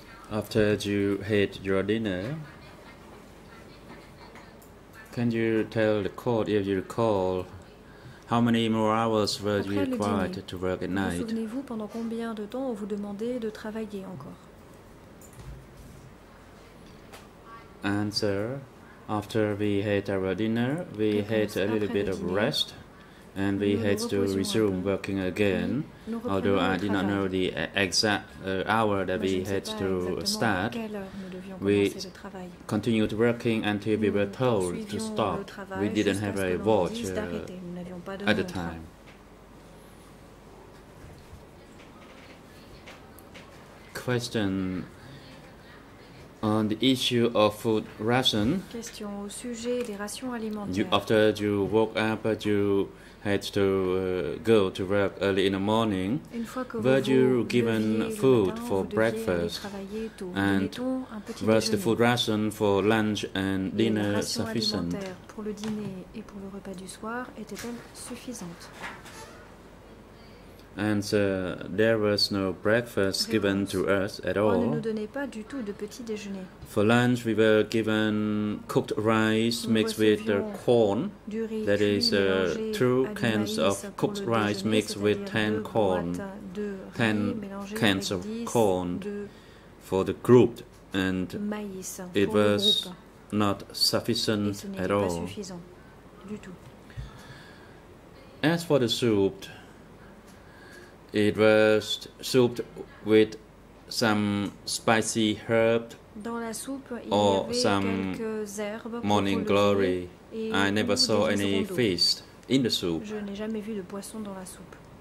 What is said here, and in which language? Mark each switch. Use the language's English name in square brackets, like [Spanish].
[English] After you had your dinner, can you tell the court, if you recall, how many more hours were you required to work at night? [French] Souvenez-vous pendant combien de temps on vous demandait de travailler encore? [English] Answer. After we had our dinner, we had a little bit of rest. And we had to resume working again, although I did not know the exact hour that we had to start. We continued working until we were told to stop. We didn't have a watch at the time. Question on the issue of food ration. [French] Question au sujet des rations alimentaires. [English] After you woke up, you had to go to work early in the morning. Were you given food for breakfast? And was the food ration for lunch and dinner sufficient? [French] Pour le dîner et pour le repas du soir, était-elle suffisante? [English] Answer, there was no breakfast given to us at all. [French] On ne nous donnait pas du tout de petit déjeuner. [English] For lunch, we were given cooked rice mixed with corn. That is, two cans of cooked rice mixed with 10 corn. 10 cans of corn for the group. And it was not sufficient at all. As for the soup, it was soup with some spicy herbs. [French] Dans la soupe, il [English] or [French] y avait [English] some [French] quelques herbes [English] morning glory. I never saw any fish in the soup. [French] Je n'ai jamais vu de poisson dans la soupe.